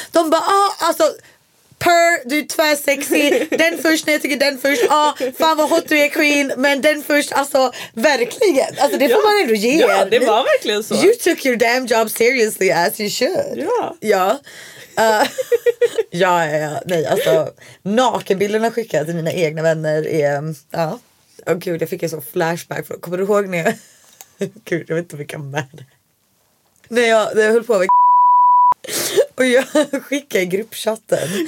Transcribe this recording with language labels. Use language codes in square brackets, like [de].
[sv] De bara, alltså purr, du är tvärsexy. Den först, när jag tycker den först. Fan vad hot du är, queen. Men den först, alltså verkligen. Alltså det får man ändå ge. Ja, det var verkligen så. [en] You took your damn job seriously as you should. [sv] Ja. Ja. Ja. Nej, alltså nakenbilderna skickade till mina egna vänner är, ja. Åh gud, jag fick en sån flashback. Kommer du ihåg när jag... Gud, jag vet inte om jag kan med. Nej, jag höll på med... Och jag skickade i gruppchatten.